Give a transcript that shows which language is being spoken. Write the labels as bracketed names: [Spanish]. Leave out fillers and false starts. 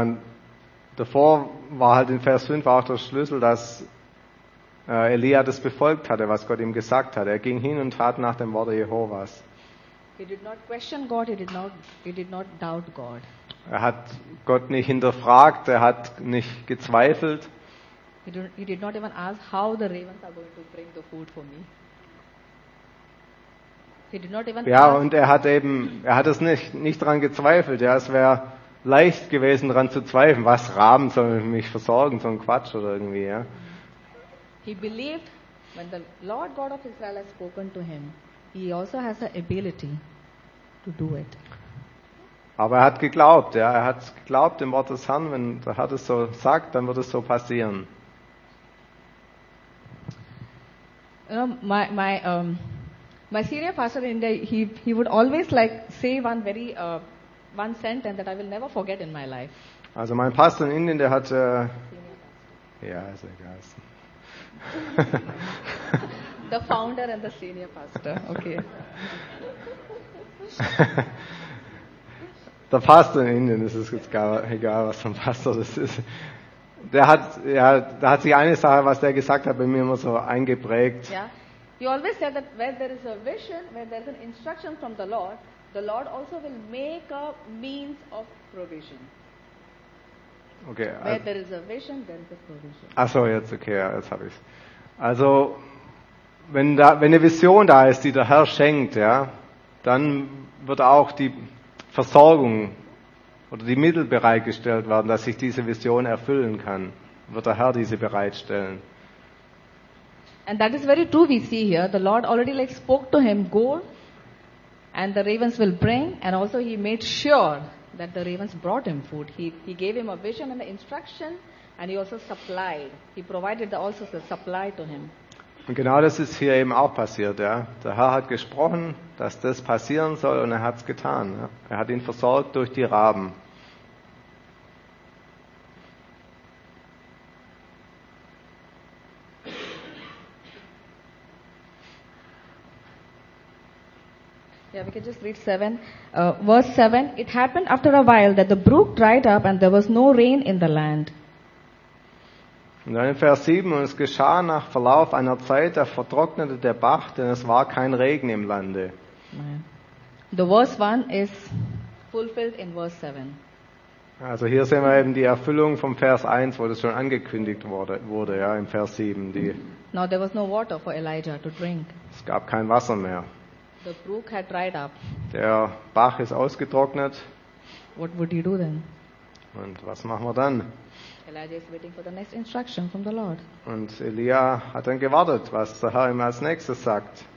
[German] Und davor war halt in Vers 5 auch der Schlüssel, dass Elia das befolgt hatte, was Gott ihm gesagt hat. Er ging hin und tat nach dem Wort Jehovas. [English] He did not question God, he did not doubt God. [German] Er hat Gott nicht hinterfragt, er hat nicht gezweifelt. [English] He did not even ask how the ravens are going to bring the food for me. He did not even [German] ja, [English] ask. [German] Und er hat es nicht dran gezweifelt. Ja, es wäre leicht gewesen, dran zu zweifeln, was Raben sollen mich versorgen, so ein Quatsch oder irgendwie. Ja. [English] He believed when the Lord God of Israel has spoken to him, he also has the ability to do it. [German] Aber er hat geglaubt, ja, er hat geglaubt im Wort des Herrn, wenn der Herr es so sagt, dann wird es so passieren. [English] You know, my senior pastor in India, he would always like say one very one sentence that I will never forget in my life. [German] Also mein Pastor in Indien, der hat ja, ist egal. [English] The founder and the senior pastor. Okay. [German] Der Pastor in Indien, das ist jetzt gar egal, was für ein Pastor das ist. Der hat ja, da hat sich eine Sache, was der gesagt hat, bei mir immer so eingeprägt. Ja. Yeah. [English] He always said that where there is a vision, where there is an instruction from the Lord also will make a means of provision. Okay. Where there is a vision, there is a provision. [German] Ach so, jetzt okay, jetzt habe ich es. Also, wenn eine Vision da ist, die der Herr schenkt, ja, dann wird auch die Versorgung oder die Mittel bereitgestellt werden, dass sich diese Vision erfüllen kann. Wird der Herr diese bereitstellen. [English] And that is very true we see here. The Lord already like spoke to him, go and the ravens will bring, and also he made sure that the ravens brought him food. He gave him a vision and an instruction, and he also supplied. He provided also the supply to him. [German] Und genau das ist hier eben auch passiert, ja. Der Herr hat gesprochen, dass das passieren soll, und er hat es getan. Ja. Er hat ihn versorgt durch die Raben. [English] Yeah, we can just read 7. Verse 7, it happened after a while that the brook dried up and there was no rain in the land. [German] Und dann in Vers 7, und es geschah nach Verlauf einer Zeit, da vertrocknete der Bach, denn es war kein Regen im Lande. [English] The verse 1 is fulfilled in verse 7. [German] Also hier sehen wir eben die Erfüllung vom Vers 1, wo das schon angekündigt wurde, ja, im Vers 7. [English] Now there was no water for Elijah to drink. [German] Es gab kein Wasser mehr. [English] The brook had dried up. [German] Der Bach ist ausgetrocknet. [English] What would you do then? [German] Und was machen wir dann? [English] Elijah is waiting for the next instruction from the Lord. [German] Und Elia hat dann gewartet, was der Herr ihm als nächstes sagt.